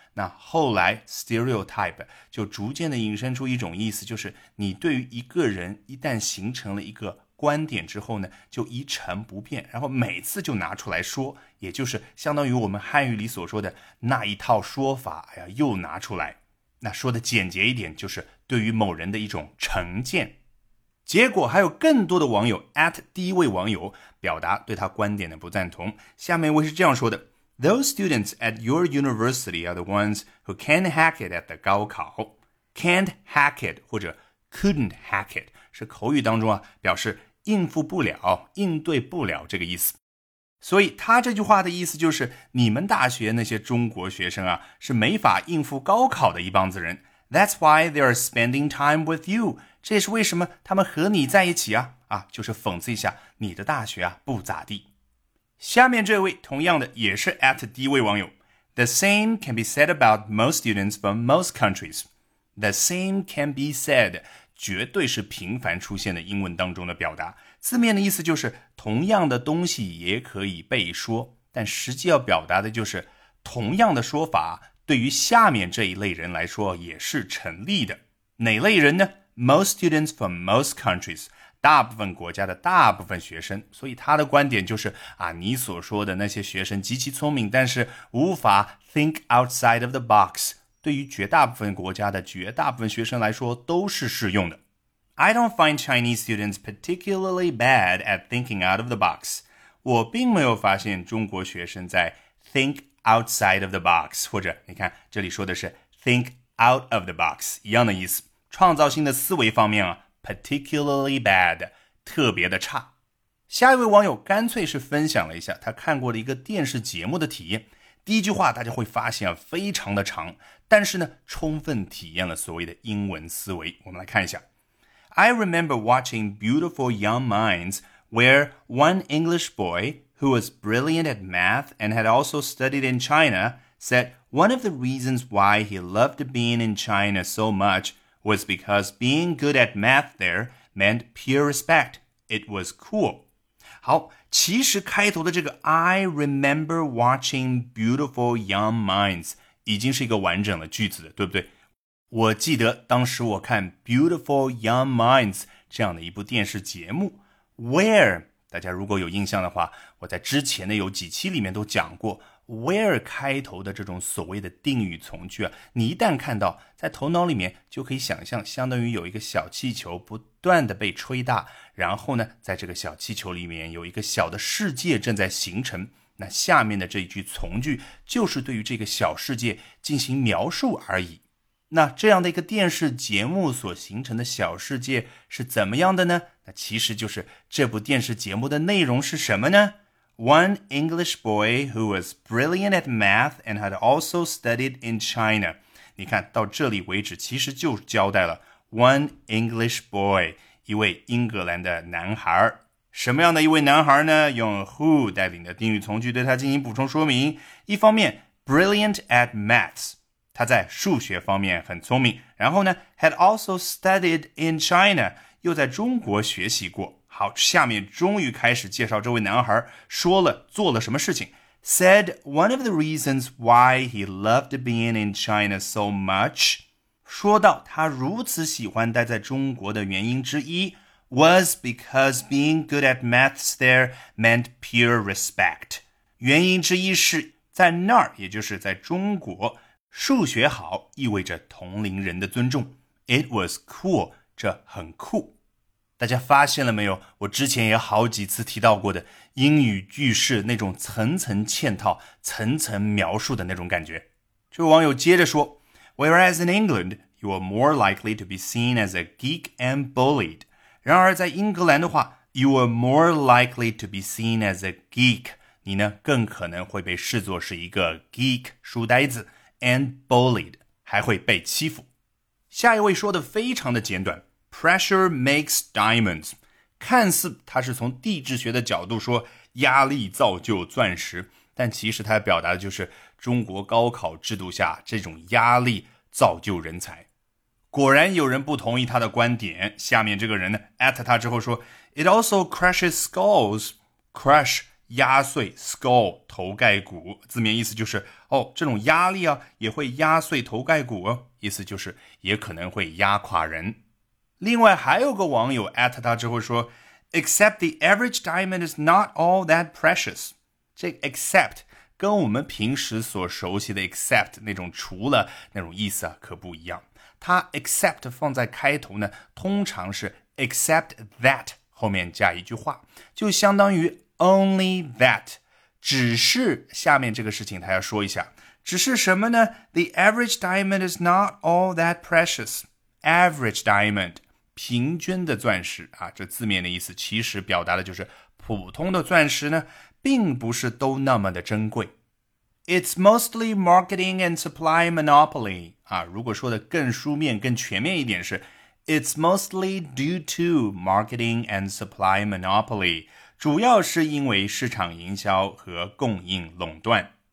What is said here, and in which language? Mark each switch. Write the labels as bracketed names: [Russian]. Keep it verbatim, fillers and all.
[Chinese] 那后来 stereotype 就逐渐的引申出一种意思，就是你对于一个人一旦形成了一个观点之后呢，就一成不变，然后每次就拿出来说，也就是相当于我们汉语里所说的那一套说法，哎呀，又拿出来。那说的简洁一点，就是对于某人的一种成见。结果还有更多的网友 at 第一位网友表达对他观点的不赞同。下面一位是这样说的 [English] ：Those students at your university are the ones who can't hack it at the 高考 ，can't hack it [Chinese] 或者 [English] couldn't hack it [Chinese] 是口语当中啊表示应付不了，应对不了这个意思。所以他这句话的意思就是，你们大学那些中国学生啊，是没法应付高考的一帮子人。 [English] That's why they are spending time with you. [Chinese] 这也是为什么他们和你在一起啊，啊，就是讽刺一下你的大学啊不咋地。下面这位同样的也是 at 第一位网友 [English] ，The same can be said about most students from most countries. The same can be said. [Chinese] 绝对是频繁出现的英文当中的表达，字面的意思就是同样的东西也可以被说，但实际要表达的就是同样的说法对于下面这一类人来说也是成立的。哪类人呢？ [English] Most students from most countries， [Chinese] 大部分国家的大部分学生。所以他的观点就是啊，你所说的那些学生极其聪明，但是无法 [English] think outside of the box， [Chinese] 对于绝大部分国家的绝大部分学生来说都是适用的。 [English] I don't find Chinese students particularly bad at thinking out of the box. [Chinese] 我并没有发现中国学生在 [English] think outside of the box， [Chinese] 或者你看这里说的是 [English] think out of the box， [Chinese] 一样的意思。创造性的思维方面啊 [English] particularly bad， [Chinese] 特别的差。下一位网友干脆是分享了一下他看过的一个电视节目的体验。第一句话大家会发现非常的长，但是呢，充分体验了所谓的英文思维。我们来看一下。 [English] I remember watching beautiful young minds where one English boy who was brilliant at math and had also studied in China said one of the reasons why he loved being in China so much was because being good at math there meant pure respect. It was cool. [Chinese] 好，其实开头的这个 [English] I remember watching beautiful young minds [Chinese] 已经是一个完整的句子了，对不对？我记得当时我看 beautiful young minds 这样的一部电视节目 where 大家如果有印象的话，我在之前的有几期里面都讲过 where 开头的这种所谓的定语从句啊，你一旦看到，在头脑里面就可以想象，相当于有一个小气球不断的被吹大，然后呢，在这个小气球里面有一个小的世界正在形成。那下面的这一句从句就是对于这个小世界进行描述而已。那这样的一个电视节目所形成的小世界是怎么样的呢？那其实就是这部电视节目的内容是什么呢？ [English] One English boy who was brilliant at math and had also studied in China. [Chinese] 你看到这里为止其实就交代了 [English] One English boy, [Chinese] 一位英格兰的男孩。什么样的一位男孩呢？用 who 带领的定语从句对他进行补充说明。 [English] 一方面 brilliant at maths. [Chinese] 他在数学方面很聪明，然后呢 [English] had also studied in China [Chinese] 又在中国学习过。好，下面终于开始介绍这位男孩说了做了什么事情。 [English] Said one of the reasons why he loved being in China so much [Chinese] 说到他如此喜欢待在中国的原因之一 [English] was because being good at maths there meant pure respect [Chinese] 原因之一是在那儿，也就是在中国数学好意味着同龄人的尊重。 [English] It was cool, [Chinese] 这很酷。大家发现了没有，我之前也好几次提到过的英语句式那种层层嵌套层层描述的那种感觉。这位网友接着说 [English] Whereas in England, you are more likely to be seen as a geek and bullied. [Chinese] 然而在英格兰的话 [English] You are more likely to be seen as a geek. [Chinese] 你呢更可能会被视作是一个 geek 书呆子 [English] and bullied, [Chinese] 还会被欺负。下一位说的非常的简短 [English] pressure makes diamonds. [Chinese] 看似他是从地质学的角度说压力造就钻石，但其实他表达的就是中国高考制度下这种压力造就人才。果然有人不同意他的观点，下面这个人呢 at 他之后说 [English] It also crushes skulls. [Chinese] Crush压碎 skull 头盖骨，字面意思就是哦，这种压力啊也会压碎头盖骨哦，意思就是也可能会压垮人。另外还有个网友 at 他之后说 Except the average diamond is not all that precious. 这 except 跟我们平时所熟悉的 except 那种除了那种意思啊可不一样。它 except 放在开头呢，通常是 except that 后面加一句话，就相当于 [English] Only that [Chinese] 只是下面这个事情他要说一下，只是什么呢？ [English] The average diamond is not all that precious. [Chinese] Average diamond 平均的钻石啊，这字面的意思其实表达的就是普通的钻石呢并不是都那么的珍贵。 [English] It's mostly marketing and supply monopoly [Chinese] 啊，如果说的更书面更全面一点是 [English] It's mostly due to marketing and supply monopoly， [Chinese] 主要是因为市场营销和供应垄断。